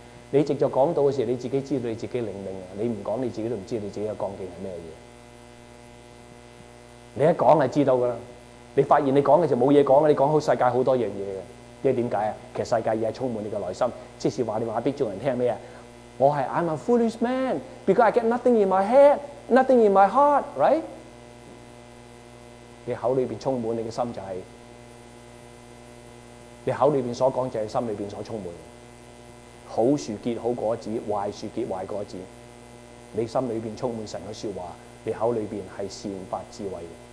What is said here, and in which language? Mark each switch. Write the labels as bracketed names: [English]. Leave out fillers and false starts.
[Chinese] 你藉着讲道的时候，你自己知道你自己灵命，你不讲你自己都不知道你自己的光景是什么。你一讲就知道了，你发现你讲的就没有东西讲，你讲好世界很多东西。因为什么？其实世界已经充满你的内心，即是说你告诉众人听什么？我是 [English] I'm a foolish man because I get nothing in my head, nothing in my heart, right? [Chinese] 你口里面充满你的心就是，你口里面所讲就是心里面所充满。好树结好果子，坏树结坏果子。你心里面充满神的说话，你口里面是善发智慧的。